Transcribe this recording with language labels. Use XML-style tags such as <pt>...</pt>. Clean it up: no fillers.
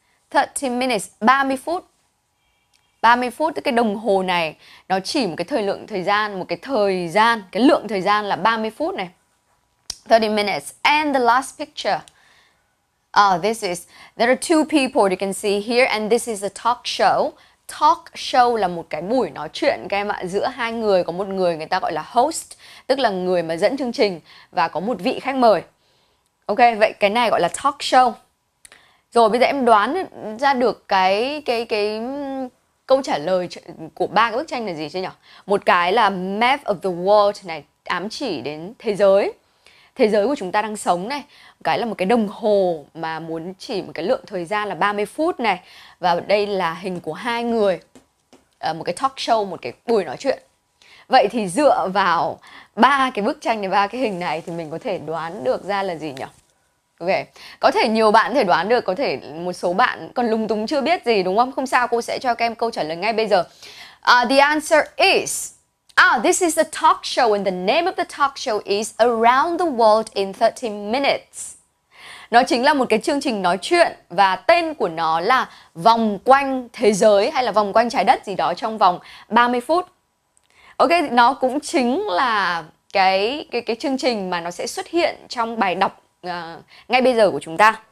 <vi>30 minutes, 30 phút. 30 phút, tức cái đồng hồ này, nó chỉ một cái thời lượng thời gian, một cái thời gian, cái lượng thời gian là 30 phút này.</vi> <en>30 minutes. And the last picture. There are two people you can see here, and this is a talk show.</en> <vi>Talk show là một cái buổi nói chuyện, các em ạ, giữa hai người, có một người người ta gọi là host, tức là người mà dẫn chương trình, và có một vị khách mời. Ok, vậy cái này gọi là talk show. Rồi bây giờ em đoán ra được cái câu trả lời của ba cái bức tranh là gì chưa nhỉ? Một cái là map of the world này, ám chỉ đến thế giới của chúng ta đang sống này. Cái là một cái đồng hồ mà muốn chỉ một cái lượng thời gian là 30 phút này. Và đây là hình của hai người, một cái talk show, một cái buổi nói chuyện. Vậy thì dựa vào ba cái bức tranh này, ba cái hình này thì mình có thể đoán được ra là gì nhỉ? Ok, có thể nhiều bạn có thể đoán được, có thể một số bạn còn lúng túng chưa biết gì, đúng không? Không sao, cô sẽ cho các em câu trả lời ngay bây giờ.</vi> <en>The answer is this is a talk show, and the name of the talk show is Around the World in 30 Minutes.</en> <vi>Nó chính là một cái chương trình nói chuyện, và tên của nó là Vòng Quanh Thế Giới hay là Vòng Quanh Trái Đất gì đó trong vòng 30 phút. Ok, nó cũng chính là cái chương trình mà nó sẽ xuất hiện trong bài đọc ngay bây giờ của chúng ta.</vi>